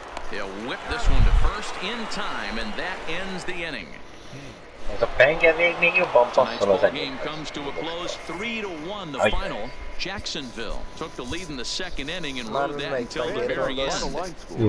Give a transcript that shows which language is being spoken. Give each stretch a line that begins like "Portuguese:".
English: They'll whip this one to first in time, and that ends the inning.
Hungarian: Ez a penge még jobban passzol az enyém.
English: Comes to a close, 3-1 the Ajj. Final. Jacksonville took the lead in the second inning and rode that until the very end.